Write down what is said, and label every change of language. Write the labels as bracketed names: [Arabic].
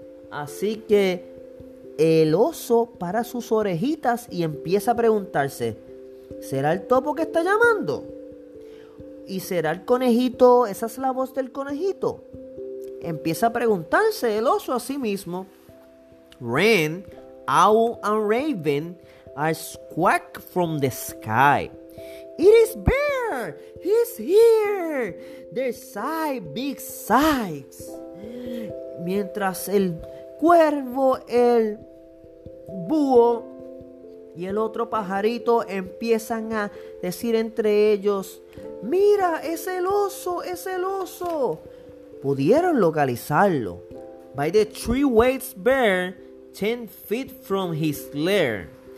[Spanish] Así que el oso para sus orejitas y empieza a preguntarse, ¿será el topo que está llamando? ¿Y será el conejito? ¿Esa es la voz del conejito? Empieza a preguntarse el oso a sí mismo. [English] Wren, owl and raven are squawk from the sky. It is bear! He's here! They sigh big sighs. [Spanish] Mientras el cuervo, el búho y el otro pajarito empiezan a decir entre ellos, ¡mira, es el oso, es el oso! Pudieron localizarlo. [English] By the tree waits bear, 10 feet from his lair.